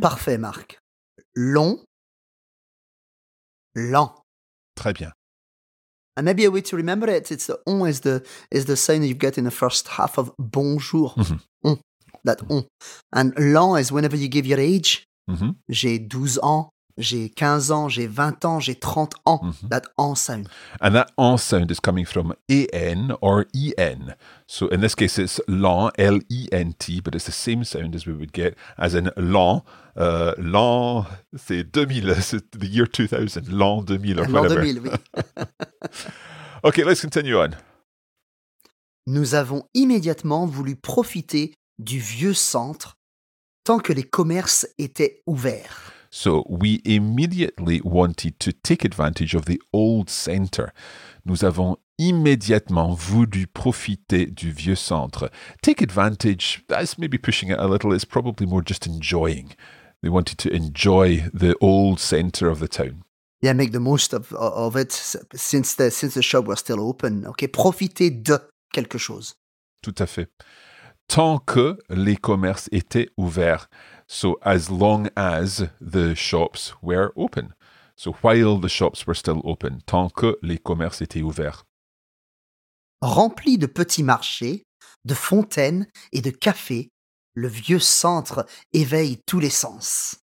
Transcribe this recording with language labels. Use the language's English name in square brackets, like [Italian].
[French] Parfait, Marc. Long. Lent. Très bien. [English] And maybe a way to remember it, it's the on is the sign that you get in the first half of bonjour. Mm-hmm. On, that on. And lent is whenever you give your age. Mm-hmm. [French] J'ai 12 ans, j'ai 15 ans, j'ai 20 ans, j'ai 30 ans. [English] Mm-hmm. That on sound. And that on sound is coming from an or en. So in this case, it's lent, L-E-N-T, but it's the same sound as we would get as in lent. [French] L'an, c'est 2000, c'est [English] the year 2000, [French] l'an 2000 or l'an [English] whatever. [French] L'an 2000, oui. [English] Okay, let's continue on. [French] Nous avons immédiatement voulu profiter du vieux centre tant que les commerces étaient ouverts. [English] So, we immediately wanted to take advantage of the old center. [French] Nous avons immédiatement voulu profiter du vieux centre. [English] Take advantage, that's maybe pushing it a little, it's probably more just enjoying. They wanted to enjoy the old center of the town. Yeah, make the most of it since the shop was still open. [French] Okay, profiter de quelque chose. Tout à fait. Tant que les commerces étaient ouverts. [English] So as long as the shops were open. So while the shops were still open. [French] Tant que les commerces étaient ouverts. Remplis de petits marchés, de fontaines et de cafés, le vieux centre éveille tous les sens.